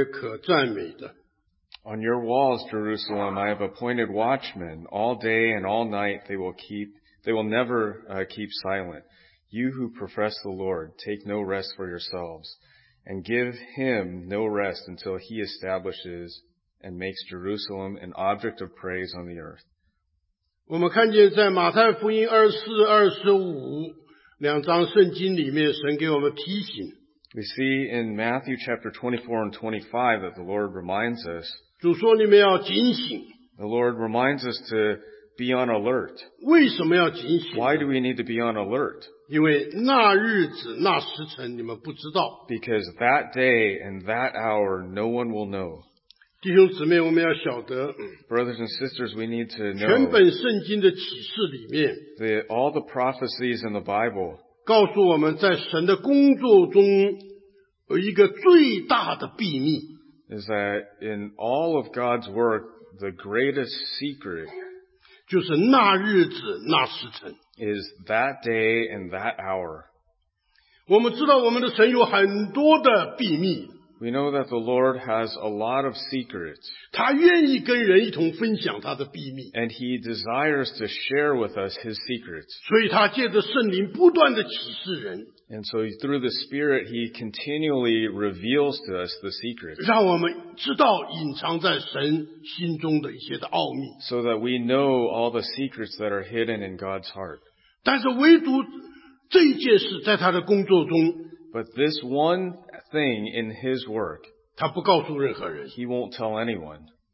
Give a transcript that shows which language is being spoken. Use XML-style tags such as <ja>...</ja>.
<zh>呼吁耶和华的,你们不要歇息,也不要使他歇息,只等他建立耶路撒冷,使耶路撒冷在地上成为可赞美的。</zh> <en>On your walls, Jerusalem, I have appointed watchmen. All day and all night they will never keep silent. You who profess the Lord, take no rest for yourselves, and give him no rest until he establishes and makes Jerusalem an object of praise on the earth.</en> <zh>我们看见在马太福音24、25两章圣经里面神给我们提醒</zh> <en>We see in Matthew chapter 24 and 25 that the Lord reminds us</en> <zh>主说你们要警醒</zh> <en>The Lord reminds us to be on alert.</en> <zh>为什么要警醒?</zh> <en>Why do we need to be on alert?</en> <zh>因为那日子那时辰你们不知道</zh> <en>Because that day and that hour no one will know.</en> <zh>弟兄姊妹,我们要晓得,</zh> <en>Brothers and sisters, we need to know</en> <zh>全本圣经的启示里面,</zh> <en>all the prophecies in the Bible</en> <zh>告诉我们在神的工作中 有一个最大的秘密</zh> <en>is that in all of God's work, the greatest secret</en> <zh>就是那日子那时辰,</zh> <en>is that day and that hour.</en> <zh>我们知道我们的神有很多的秘密,</zh> <en>we know that the Lord has a lot of secrets.</en> <zh>他愿意跟人一同分享他的秘密,</zh> <en>and he desires to share with us his secrets.</en> <zh>所以他借着圣灵不断地启示人,</zh> <en>and so through the Spirit, he continually reveals to us the secrets. So that we know all the secrets that are hidden in God's heart. But this one thing in his work, he won't tell anyone.</en>